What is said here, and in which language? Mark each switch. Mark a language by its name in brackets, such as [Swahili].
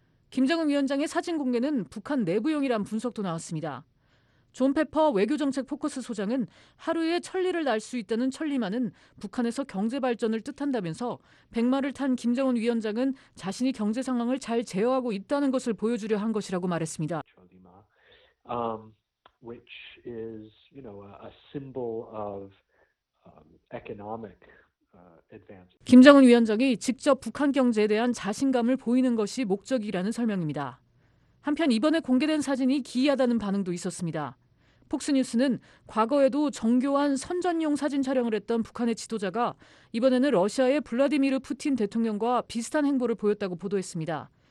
[Korean] 김정은 위원장의 사진 공개는 북한 내부용이란 분석도 나왔습니다. 존 페퍼 외교정책 포커스 소장은 하루에 천리를 날 수 있다는 천리만은 북한에서 경제 발전을 뜻한다면서 백마를 탄 김정은 위원장은 자신이 경제 상황을 잘 제어하고 있다는 것을 보여주려 한 것이라고 말했습니다. [English] Which is, you know, a symbol of economic advance. [Korean] 김정은 위원장이 직접 북한 경제에 대한 자신감을 보이는 것이 목적이라는 설명입니다. 한편 이번에 공개된 사진이 기이하다는 반응도 있었습니다. 폭스뉴스는 과거에도 정교한 선전용 사진 촬영을 했던 북한의 지도자가 이번에는 러시아의 블라디미르 푸틴 대통령과 비슷한 행보를 보였다고 보도했습니다.